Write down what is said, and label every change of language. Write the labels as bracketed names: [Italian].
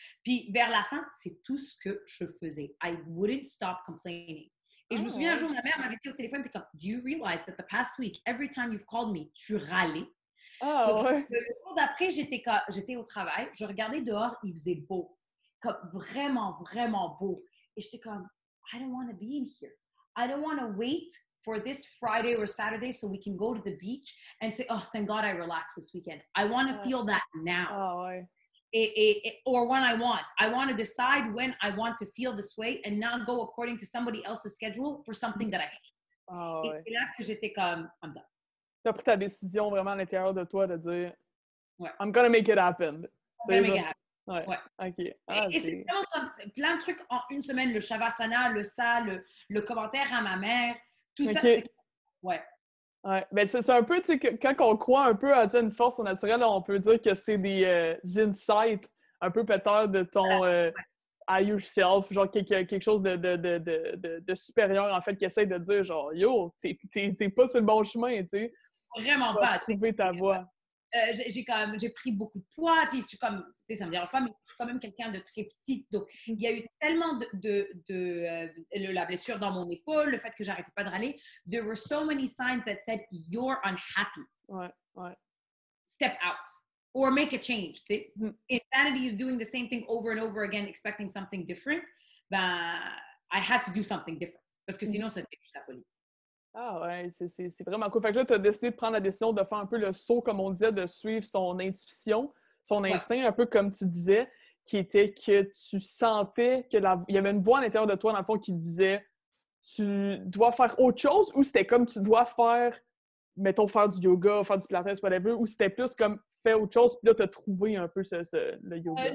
[French] Puis vers la fin, c'est tout ce que je faisais. [English] I wouldn't stop complaining. [French] Et je me souviens un jour, ma mère m'avait dit au téléphone, t'es comme, [English] do you realize that the past week, every time you've called me, [French] tu râlais? Le jour d'après, j'étais au travail, je regardais dehors, il faisait beau. Comme vraiment, vraiment beau. Et j'étais comme, [English] I don't want to be in here. I don't want to wait for this Friday or Saturday so we can go to the beach and say, oh, thank God I relax this weekend. I want to feel that now. Or when I want. I want to decide when I want to feel this way and not go according to somebody else's schedule for something that I hate. [French] Et c'est là que j'étais comme, [English] I'm done. [French] Tu as pris ta décision vraiment à l'intérieur de toi de dire, ouais. [English] I'm going to make it happen. [French] Ouais. Ouais. Okay. Et c'est vraiment comme plein de trucs en une semaine, le shavasana, le ça, le commentaire à ma mère, tout ça. Ouais. Mais c'est un peu, tu sais, quand on croit un peu à une force naturelle, on peut dire que c'est des insights un peu peut-être de ton I yourself, genre quelque chose de supérieur en fait, qui essaie de dire genre, yo, t'es pas sur le bon chemin, tu sais. Vraiment pas. Trouver ta voie. j'ai pris beaucoup de poids, puis je suis comme, tu sais, ça me dérange pas, mais je suis quand même quelqu'un de très petite. Donc, il y a eu tellement de la blessure dans mon épaule, le fait que j'arrêtais pas de râler. [English] There were so many signs that said, you're unhappy. [French] Ouais. [English] Step out. Or make a change, [French] tu sais. [English] Insanity is doing the same thing over and over again, expecting something different. [French] Ben, [English] I had to do something different. [French] Parce que sinon, c'était juste la folie. Ah ouais, c'est vraiment cool. Fait que là, tu as décidé de prendre la décision de faire un peu le saut, comme on disait, de suivre son intuition, son instinct, ouais. Un peu comme tu disais, qui était que tu sentais qu'il y avait une voix à l'intérieur de toi, dans le fond, qui disait tu dois faire autre chose, ou c'était comme tu dois faire, mettons, faire du yoga, faire du pilates, whatever, ou c'était plus comme faire autre chose, puis là, tu as trouvé un peu le yoga.